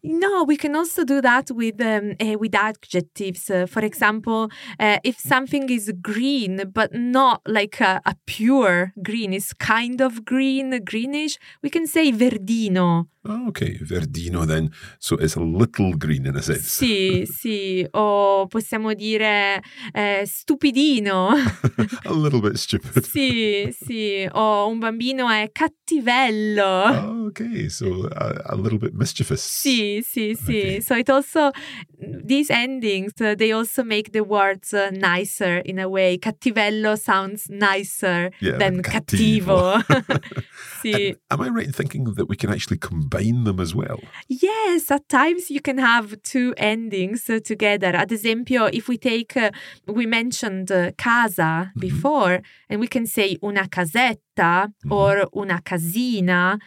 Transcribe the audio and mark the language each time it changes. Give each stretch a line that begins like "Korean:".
English: No, we can also do that with adjectives. For example, if something is green, but not like a pure green, it's kind of green, greenish, we can say verdino. Okay, verdino then. So it's a little green in a sense.
Italian: Sì, sì. O possiamo dire stupidino.
English: A little bit stupid.
Italian: Sì, sì. O un bambino è cattivello.
English: Okay, so a little bit mischievous.
Italian: Sì, sì, sì. Okay.
English: So it also, these endings, they also make the words nicer in a way. Cattivello sounds nicer than cattivo.
Italian: Sì.
English: Am I right in thinking that we can actually combine them as well? Yes, at times you can have two endings together.
Italian: Ad esempio,
English: if we take, we mentioned casa mm-hmm. before, and we can say una casetta mm-hmm. or una casina,